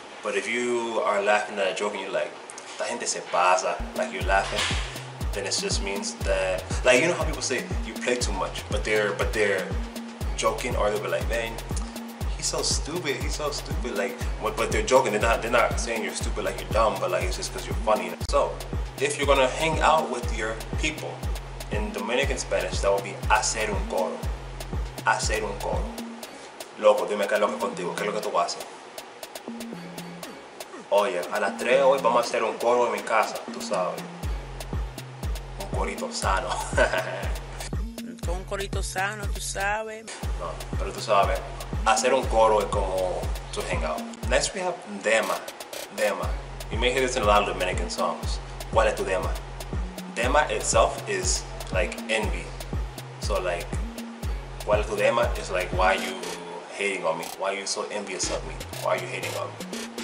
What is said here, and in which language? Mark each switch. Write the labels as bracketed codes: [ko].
[en] But if you are laughing at a joke and you're like, [es] la gente se pasa, [en] like you're laughing, then it just means that, like, you know how people say you play too much, but they're joking, or they'll be like, man, he's so stupid, like, but they're joking, they're not saying you're stupid like you're dumb, but like, it's just because you're funny. So if you're gonna hang out with your people, in Dominican Spanish, that would be [es] hacer un coro. Hacer un coro. Loco, dime qué es lo que contigo, qué es lo que tú haces. Oye, a las 3 hoy vamos a hacer un coro en mi casa, tú sabes. Un corito sano. Un corito sano, tú sabes. No, pero tú sabes, hacer un coro es como [en] to hang out. Next we have dema. Dema. You may hear this in a lot of Dominican songs. [es] ¿Cuál es tu dema? [en] Dema itself is like envy. So like, [es] ¿cuál es tu dema? [en] Is like, why you hating on me? Why are you so envious of me? Why are you hating on me?